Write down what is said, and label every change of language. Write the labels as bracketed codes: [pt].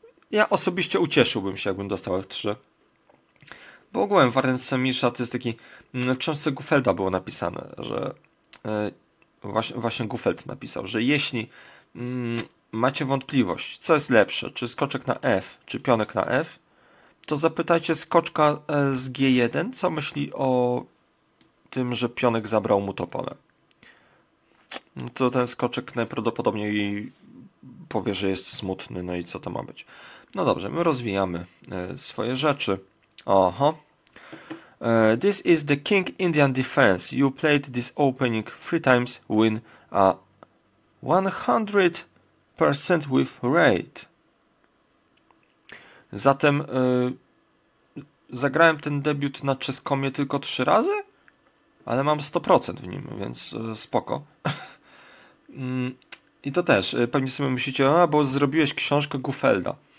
[pl] Ja osobiście ucieszyłbym się, jakbym dostał F3. Bo ogółem wariant Samisza to jest taki, w książce Gufelda było napisane, że właśnie Gufeld napisał, że jeśli macie wątpliwość, co jest lepsze, czy skoczek na F, czy pionek na F, to zapytajcie skoczka z G1, co myśli o tym, że pionek zabrał mu to pole. No to ten skoczek najprawdopodobniej powie, że jest smutny, no i co to ma być. No dobrze, my rozwijamy swoje rzeczy. Oho. [en] This is the King Indian Defense. You played this opening 3 times, win a 100% with rate. [pl] Zatem zagrałem ten debiut na Chess.comie tylko 3 razy, ale mam 100% w nim, więc spoko. I to też, pewnie sobie myślicie, bo zrobiłeś książkę Gufelda.